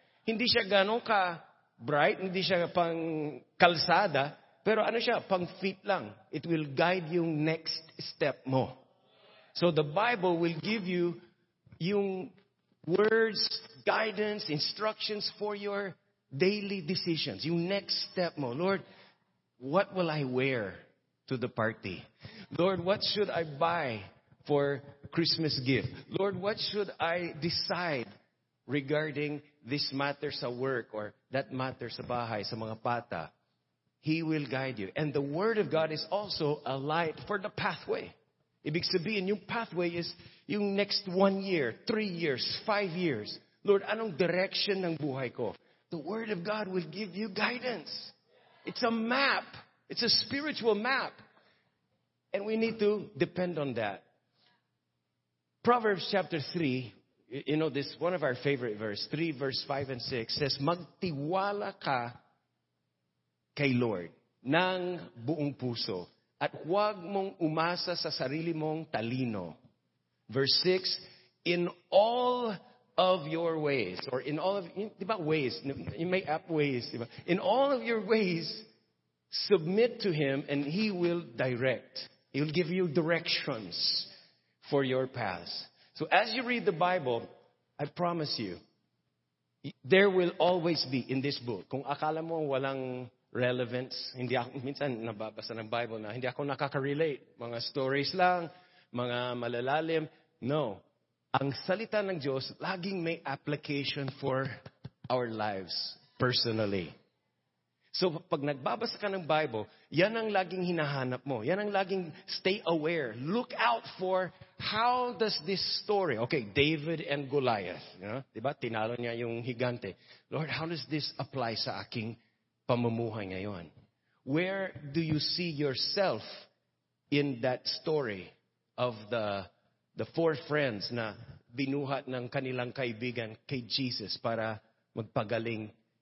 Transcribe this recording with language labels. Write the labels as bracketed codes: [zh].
[tl] Hindi siya ganong ka bright, hindi siya pang kalsada, pero ano siya, pang feet lang. [en] It will guide [tl] yung next step mo. [en] So, the Bible will give you yung words, guidance, instructions for your daily decisions. [tl] Yung next step mo. [en] Lord, what will I wear to the party? Lord, what should I buy for Christmas gift? Lord, what should I decide regarding this matter sa work or that matter [tl] sa bahay, sa mga pata? [en] He will guide you. And the Word of God is also a light for the pathway. [tl] Ibig sabihin, yung pathway is yung [en] next 1 year, 3 years, 5 years. [tl] Lord, anong direction ng buhay ko? [en] The Word of God will give you guidance. It's a map. It's a spiritual map. And we need to depend on that. Proverbs chapter 3, you know, this one of our favorite verse, 3 verse 5 and 6, says, [tl] magtiwala ka kay Lord ng buong puso. At huwag mong umasa sa sarili mong talino. [en] Verse 6, in all of your ways, or in all of, di ba ways, you may app ways, di ba? In all of your ways, submit to Him and He will direct. He will give you directions for your paths. So as you read the Bible, I promise you, there will always be in this book, [tl] kung akala mo walang relevance. Hindi ako, minsan nababasa ng Bible na hindi ako nakaka-relate. Mga stories lang, mga malalalim. No. Ang salita ng Diyos, laging may application [en] for our lives personally. [tl] So, pag nagbabasa ka ng Bible, yan ang laging hinahanap mo. Yan ang laging stay aware. [en] Look out for how does this story, okay, David and Goliath, you know, diba? [tl] Tinalo niya yung higante. [en] Lord, how does this apply [tl] sa aking pamumuhay ngayon? [en] Where do you see yourself in that story of the four friends [tl] na binuhat ng kanilang kaibigan kay Jesus para magpagaling?